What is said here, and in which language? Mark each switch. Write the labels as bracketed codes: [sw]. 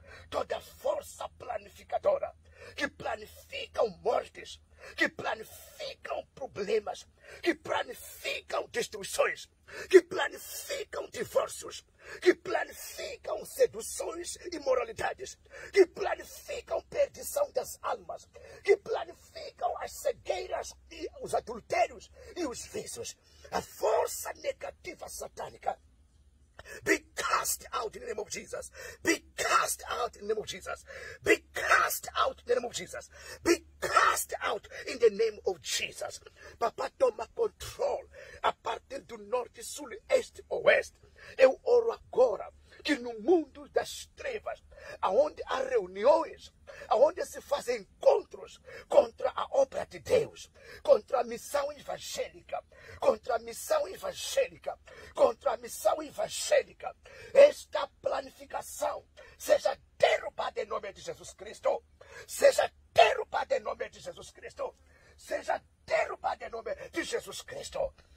[pt] Toda força planificadora que planificam mortes, que planificam problemas, que planificam destruições, que planificam divórcios, que planificam seduções e moralidades, que planificam perdição das almas, que planificam as cegueiras e os adultérios e os vícios, a força negativa satânica, [en] be cast out in the name of Jesus. Be cast out in the name of Jesus. Be cast out in the name of Jesus. Be cast out in the name of Jesus. [pt] Papá, toma control a partir do norte, sul, este, oeste. Eu oro agora que no mundo das trevas, aonde há reuniões, aonde se fazem encontros contra a obra de Deus, contra a missão evangélica, contra a missão evangélica, contra a missão evangélica, esta planificação seja derrubada em nome de Jesus Cristo, seja derrubada em nome de Jesus Cristo, seja derrubada em nome de Jesus Cristo.